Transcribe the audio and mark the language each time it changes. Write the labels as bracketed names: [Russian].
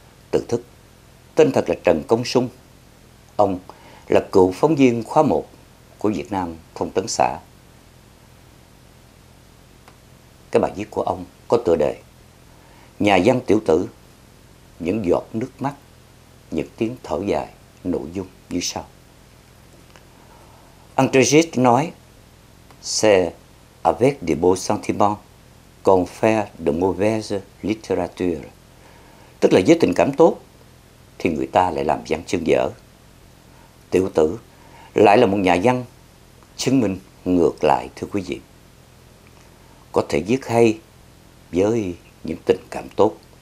[Vietnamese] Tự Thức tên thật là Trần Công Sung, ông là cựu phóng viên khóa 1 của Việt Nam Thông Tấn Xã. Cái bài viết của ông có tựa đề Nhà văn Tiểu Tử, những giọt nước mắt, những tiếng thở dài, nội dung như sau. [French] André Gide nói: C'est avec de beaux sentiments qu'on fait de mauvaise littérature. [Vietnamese] Tức là với tình cảm tốt thì người ta lại làm văn chương dở. Tiểu Tử lại là một nhà văn chứng minh ngược lại, thưa quý vị. Có thể viết hay với những tình cảm tốt.